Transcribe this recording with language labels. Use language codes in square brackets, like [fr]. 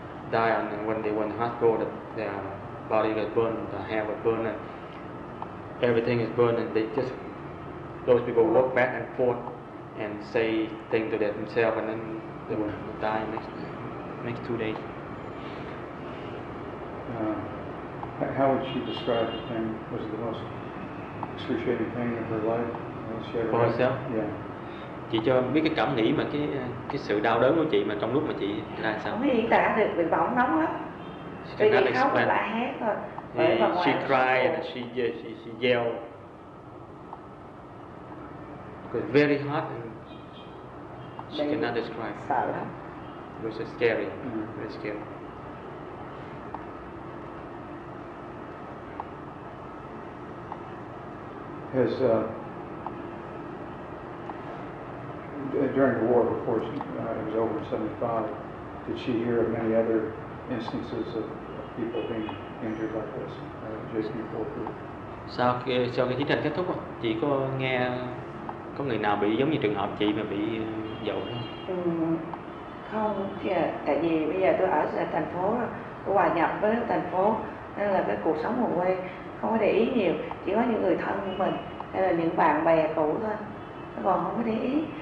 [en] die and when they went to hospital, the, their body got burned, the hair was burned, and everything is burned, and they just, those people walk back and forth and say things to themselves, and then they will die next 2 days. How would she describe the pain? Was it the most excruciating pain of her life? For herself? Yeah. [vi] Chị cho biết cái cảm nghĩ mà cái sự đau đớn của chị mà trong lúc mà chị là sao? Không diễn tả được, bị bỏng nóng lắm. Chị đi khóc và lại hét rồi. [en] She cried and she yelled. It's very hot and she cannot describe. [vi] Sợ lắm. [en] It was scary, very scary. Has during the war, before she, it was over in 75, did she hear of many other instances of people being injured like this? Just people who. [vi] Sau khi chiến tranh kết thúc, chị có nghe có người nào bị giống như trường hợp chị mà bị dậu không? Không, tại vì bây giờ tôi ở thành phố, tôi hòa nhập với thành phố nên là cái cuộc sống ở quê không có để ý nhiều, chỉ có những người thân của mình hay là những bạn bè cũ thôi, còn không có để ý.